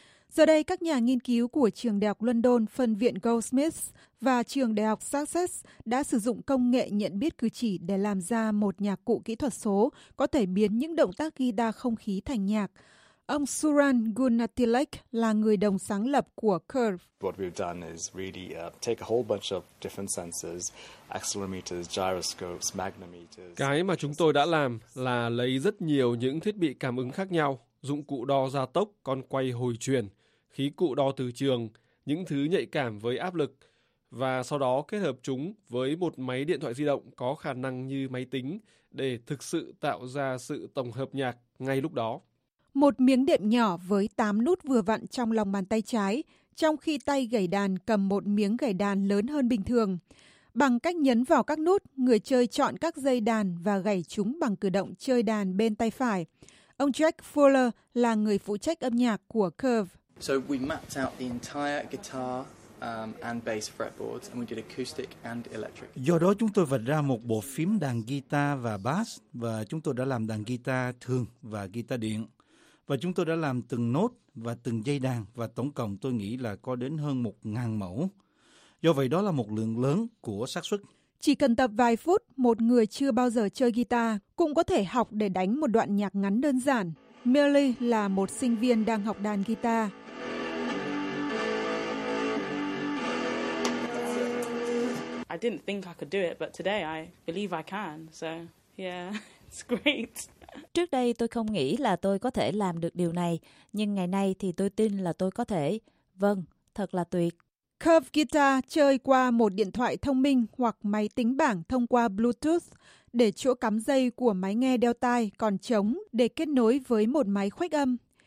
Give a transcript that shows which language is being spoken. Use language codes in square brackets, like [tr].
[vi] Giờ đây, các nhà nghiên cứu của Trường Đại học London, Phân viện Goldsmiths và Trường Đại học Sussex đã sử dụng công nghệ nhận biết cử chỉ để làm ra một nhạc cụ kỹ thuật số có thể biến những động tác guitar không khí thành nhạc. Ông Suran Gunatilak là người đồng sáng lập của Curve. [en] What we've done is really take a whole bunch of different sensors, accelerometers, gyroscopes, magnetometers. [vi] Cái mà chúng tôi đã làm là lấy rất nhiều những thiết bị cảm ứng khác nhau, dụng cụ đo gia tốc, con quay hồi chuyển, khí cụ đo từ trường, những thứ nhạy cảm với áp lực, và sau đó kết hợp chúng với một máy điện thoại di động có khả năng như máy tính để thực sự tạo ra sự tổng hợp nhạc ngay lúc đó. Một miếng đệm nhỏ với 8 nút vừa vặn trong lòng bàn tay trái, trong khi tay gảy đàn cầm một miếng gảy đàn lớn hơn bình thường. Bằng cách nhấn vào các nút, người chơi chọn các dây đàn và gảy chúng bằng cử động chơi đàn bên tay phải. Ông Jack Fuller là người phụ trách âm nhạc của Curve. [en] So we mapped out the entire guitar and bass fretboards and we did acoustic and electric. [vi] Do đó chúng tôi vạch ra một bộ phím đàn guitar và bass, và chúng tôi đã làm đàn guitar thường và guitar điện. và chúng tôi đã làm từng nốt và từng dây đàn, và tổng cộng tôi nghĩ là có đến hơn 1.000 mẫu. Do vậy đó là một lượng lớn của xác suất. Chỉ cần tập vài phút, một người chưa bao giờ chơi guitar cũng có thể học để đánh một đoạn nhạc ngắn đơn giản. Milly là một sinh viên đang học đàn guitar. [en] I didn't think I could do it, but today I believe I can. So, yeah, it's great. [vi] Trước đây tôi không nghĩ là tôi có thể làm được điều này, nhưng ngày nay thì tôi tin là tôi có thể. Vâng, thật là tuyệt. Curve guitar chơi qua một điện thoại thông minh hoặc máy tính bảng thông qua Bluetooth, để chỗ cắm dây của máy nghe đeo tai còn trống để kết nối với một máy khuếch âm.